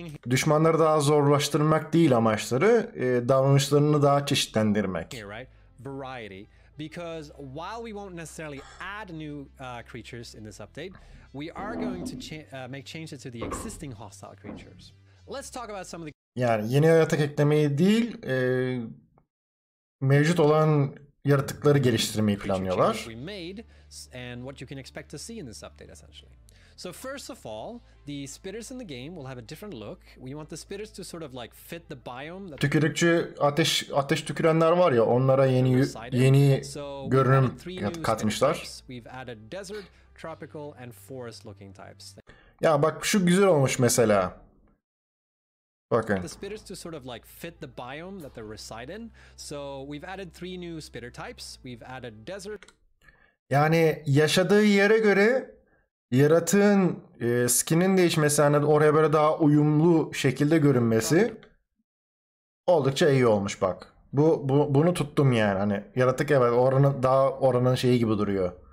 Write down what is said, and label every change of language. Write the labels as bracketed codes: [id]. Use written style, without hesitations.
[tr] düşmanları daha zorlaştırmak değil amaçları, davranışlarını daha çeşitlendirmek. [en] Variety, because while we won't necessarily add new creatures in this update, we are going to make changes to the existing hostile creatures. Let's talk about some of the. [tr] Yani yeni yaratık eklemeyi değil, mevcut olan yaratıkları geliştirmeyi planlıyorlar. [en] We made and what you can expect to see in this update, essentially. So first of all, the spitters in the game will have a different look. We want the spitters to sort of like fit the biome. [tr] Tükürükçü ateş tükürenler var ya, onlara yeni görünüm katmışlar. [en] We've added desert, tropical and forest looking types. [tr] Ya bak şu güzel olmuş mesela. Bakın. [en] The spitters to sort of like fit the biome that they reside in. So we've added three new spitter types. We've added desert. [tr] Yani yaşadığı yere göre yaratığın skin'in değişmesine oraya böyle daha uyumlu şekilde görünmesi oldukça iyi olmuş bak. Bunu tuttum yani hani yaratık evet oranın şeyi gibi duruyor.